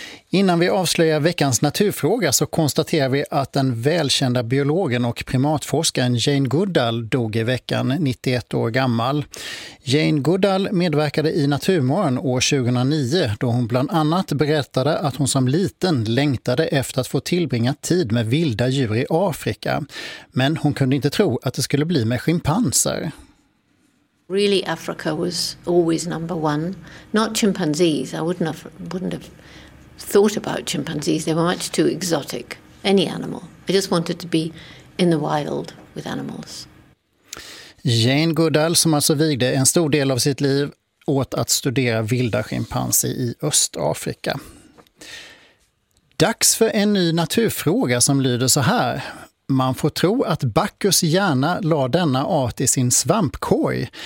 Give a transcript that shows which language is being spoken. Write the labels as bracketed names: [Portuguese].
[Swedish] Innan vi avslöjar veckans naturfråga så konstaterar vi att den välkända biologen och primatforskaren Jane Goodall dog i veckan, 91 år gammal. Jane Goodall medverkade i Naturmorgon år 2009 då hon bland annat berättade att hon som liten längtade efter att få tillbringa tid med vilda djur i Afrika. Men hon kunde inte tro att det skulle bli med schimpanser. [English] Really, Africa was always number one. Not chimpanzees, I wouldn't have thought about chimpanzees. They were much too exotic, any animal. I just wanted to be in the wild with animals. [Swedish] Jane Goodall, som alltså vigde en stor del av sitt liv åt att studera vilda schimpanser i Östafrika. Dags för en ny naturfråga som lyder så här. Man får tro att Bacchus hjärna la denna art i sin svampkorg.